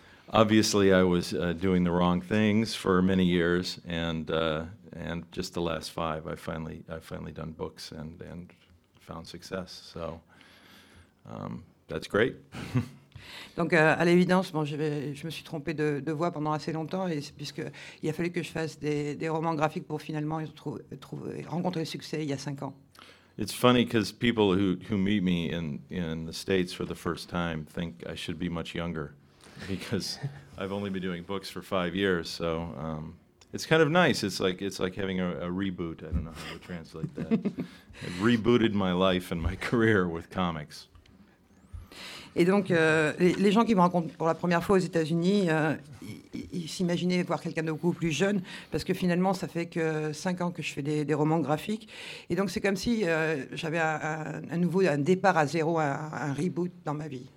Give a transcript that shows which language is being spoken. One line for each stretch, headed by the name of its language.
English: Obviously, I was doing the wrong things for many years, and just the last five, I finally done books and found success. So that's great.
French: Donc, à l'évidence, bon, je me suis trompée de voie pendant assez longtemps, puisqu'il a fallu que je fasse des romans graphiques pour finalement rencontrer le succès il y a 5 ans.
English: It's funny because people who meet me in the States for the first time think I should be much younger, because I've only been doing books for 5 years, so it's kind of nice. It's like having a reboot. I don't know how to translate that. I've rebooted my life and my career with comics.
French: Et donc, les gens qui me rencontrent pour la première fois aux États-Unis, ils s'imaginaient voir quelqu'un de beaucoup plus jeune, parce que finalement, ça fait que 5 ans que je fais des romans graphiques. Et donc, c'est comme si j'avais un départ à zéro, un reboot dans ma vie.